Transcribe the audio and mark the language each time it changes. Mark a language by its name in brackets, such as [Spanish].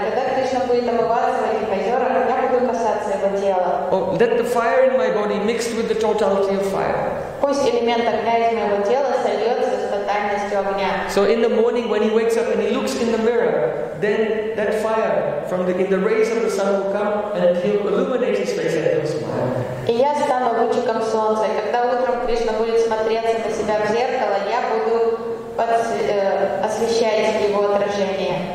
[Russian] Когда Кришна будет омываться в этих озерах, я буду касаться его тела. [English] Oh, let the fire in my body mixed with the totality of fire. [Russian] Пусть элемент огня из моего тела сольется с тотальностью огня. [English] So in the morning when he wakes up and he looks in the mirror, then that fire from in the rays of the sun will come and he'll illuminate his face and he'll smile. [Russian] И я стану лучиком солнца, и когда утром Кришна будет смотреться на себя в зеркало, я буду освещать его отражение.